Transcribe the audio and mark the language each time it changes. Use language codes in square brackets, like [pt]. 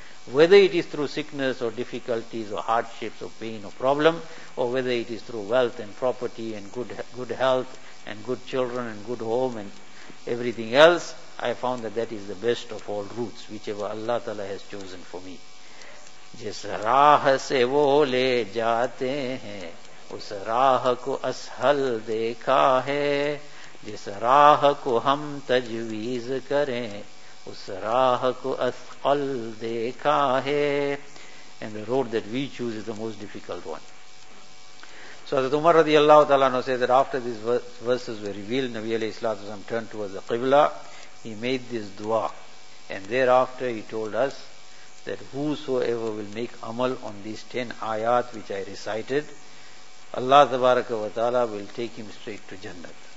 [en] Whether it is through sickness or difficulties or hardships or pain or problem, or whether it is through wealth and property and good health and good children and good home and everything else, I found that that is the best of all routes, whichever Allah Ta'ala has chosen for me. [ur] جس راہ سے وہ لے جاتے ہیں اس راہ کو اسہل دیکھا ہے، جس راہ کو ہم تجویز کریں اس راہ کو اثقل دیکھا ہے. [en] And the road that we choose is the most difficult one. So Hazrat Umar radiallahu ta'ala anhu says that after these verses were revealed, Nabi alayhi salatu wasalam turned towards the Qibla. He made this dua. And thereafter he told us that whosoever will make amal on these 10 ayat which I recited, Allah tabaraka wa ta'ala will take him straight to Jannah.